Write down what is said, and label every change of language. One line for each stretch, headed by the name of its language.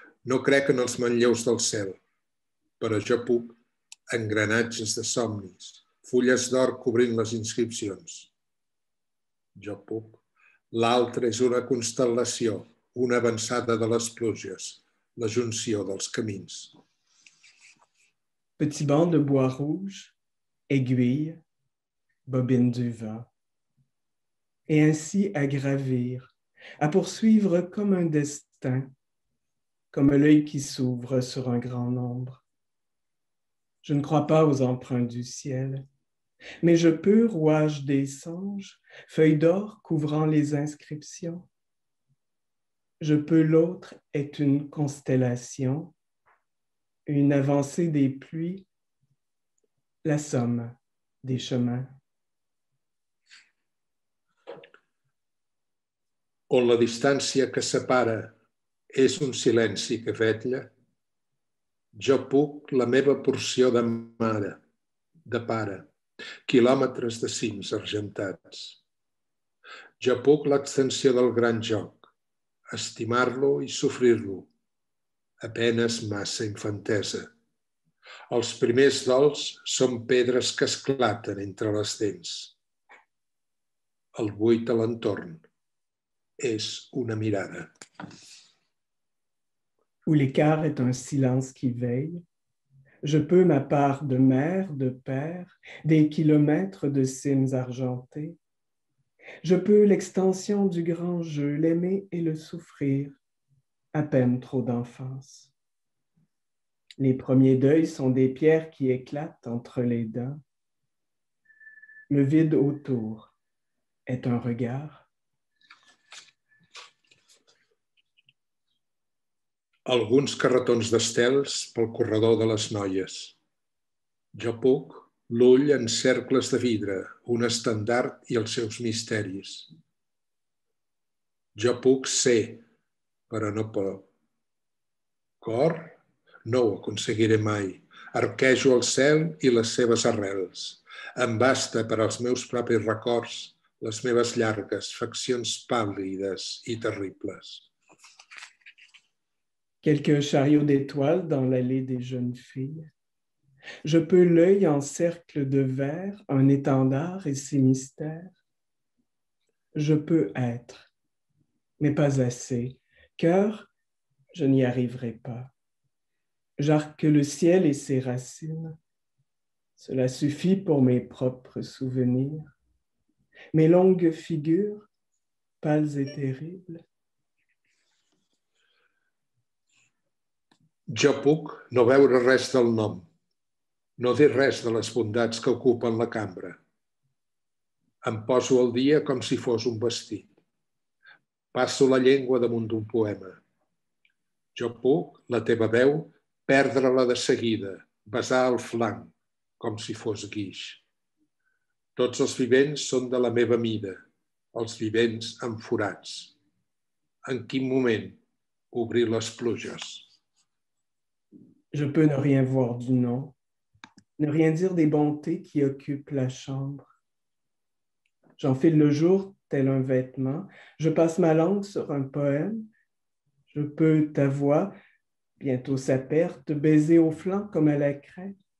Catalan: No crec en els manlleus del cel, però jo puc engranatges de somnis, fulles d'or cobrint les inscripcions. Jo puc. L'altre és una constel·lació, una avançada de les pluges, la junció dels camins.
French: Petit banc de bois rouge, aiguille, bobine du vent, et ainsi à gravir, à poursuivre comme un destin, comme l'œil qui s'ouvre sur un grand nombre. Je ne crois pas aux empreintes du ciel, mais je peux, rouage des songes, feuille d'or couvrant les inscriptions. Je peux, l'autre est une constellation, une avancée des pluies, la somme des chemins.
Catalan: On la distància que separa és un silenci que vetlla, jo puc la meva porció de mare, de pare, quilòmetres de cims argentats. Jo puc l'extensió del gran joc, estimar-lo i sofrir-lo, apenas massa infantesa. Els primers dols són pedres que esclaten entre les dents. El buit a l'entorn és una mirada.
French: Où l'écart est un silence qui veille, je peux ma part de mère, de père, des kilomètres de cimes argentées. Je peux l'extension du grand jeu, l'aimer et le souffrir, à peine trop d'enfance. Les premiers deuils sont des pierres qui éclatent entre les dents. Le vide autour est un regard.
Catalan: Alguns carretons d'estels pel corredor de les noies. Jo puc l'ull en cercles de vidre, un estendard i els seus misteris. Jo puc ser, però no por. Cor? No ho aconseguiré mai. Arquejo el cel i les seves arrels. Em basta per als meus propis records les meves llargues faccions pàl·lides i terribles.
French: Quelques chariots d'étoiles dans l'allée des jeunes filles. Je peux l'œil en cercle de verre, un étendard et ses mystères. Je peux être, mais pas assez. Cœur, je n'y arriverai pas. J'arque le ciel et ses racines. Cela suffit pour mes propres souvenirs. mes longues figures, pâles et terribles.
Catalan: Jo puc no veure res del nom, no dir res de les bondats que ocupen la cambra. Em poso al dia com si fos un vestit. Passo la llengua damunt d'un poema. Jo puc, la teva veu, perdre-la de seguida, besar el flanc, com si fos guix. Tots els vivents són de la meva mida, els vivents amb forats. En quin moment obrir les pluges?
French: Je peux ne rien voir du nom, ne rien dire des bontés qui occupent la chambre. J'enfile le jour tel un vêtement, je passe ma langue sur un poème, je peux ta voix, bientôt sa perte, baiser au flanc comme à la craie.